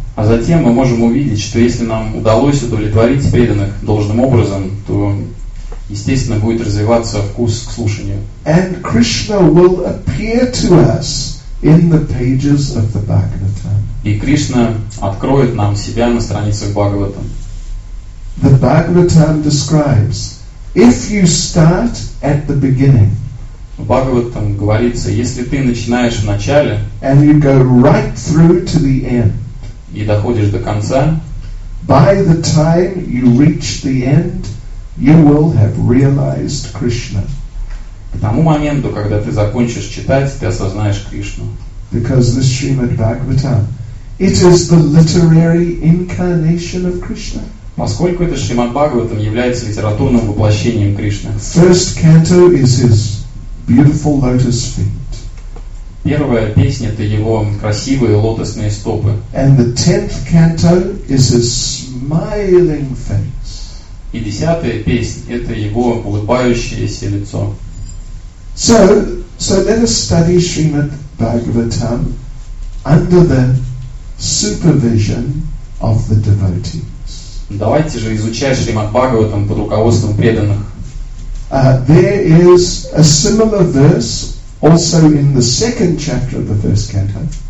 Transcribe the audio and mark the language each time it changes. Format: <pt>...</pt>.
<ru>А затем мы можем увидеть, что если нам удалось удовлетворить преданных должным образом, то естественно будет развиваться вкус к слушанию.</ru> <en>And Krishna will appear to us in the pages of the Bhagavatam.</en> <ru>И Кришна откроет нам себя на страницах Бхагаватам.</ru> <en>The Bhagavatam describes, if you start at the beginning.</en> <ru>В Бхагаватам говорится, если ты начинаешь в начале</ru> <en>and you go right through to the end,</en> <ru>и доходишь до конца,</ru> <en>by the time you reach the end, you will have realized Krishna.</en> <ru>К тому моменту, когда ты закончишь читать, ты осознаешь Кришну.</ru> <en>Because this Srimad Bhagavatam, it is the literary incarnation of Krishna.</en> <ru>Поскольку это Srimad Bhagavatam является литературным воплощением Кришны.</ru> <en>First canto is his beautiful lotus feet.</en> <ru>Первая песня это его красивые лотосные стопы.</ru> <en>And the tenth canto is his smiling face.</en> <ru>И десятая песня это его улыбающееся лицо.</ru> <en>So let us study Srimad Bhagavatam under the supervision of the devotees.</en> <ru>Давайте же изучать Шримад Бхагаватам под руководством преданных.</ru> <en>There is a similar verse also in the second chapter of the first canto.</en>